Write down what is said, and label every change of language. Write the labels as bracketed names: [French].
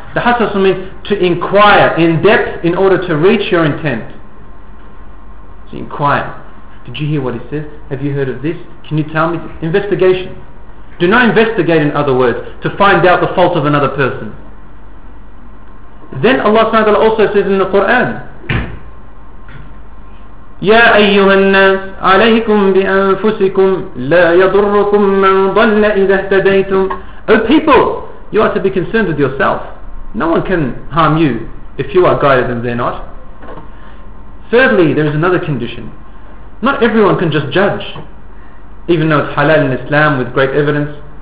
[English] تَحَسَّسُوا means to inquire in depth in order to reach your intent. To inquire. Did you hear what he says? Have you heard of this? Can you tell me? Investigation. Do not investigate, in other words, to find out the fault of another person. Then Allah subhanahu wa ta'ala also says in the Quran, [Arabic] يَا أَيُّهَا النَّاسِ عَلَيْكُمْ بِأَنفُسِكُمْ لَا يَضُرُّكُمْ مَنْ ضَلَّ إِذَا اهْتَدَيْتُمْ. [English] O people, you are to be concerned with yourself. No one can harm you if you are guided and they're not. Thirdly, there is another condition. Not everyone can just judge, even though it's halal in Islam with great evidence.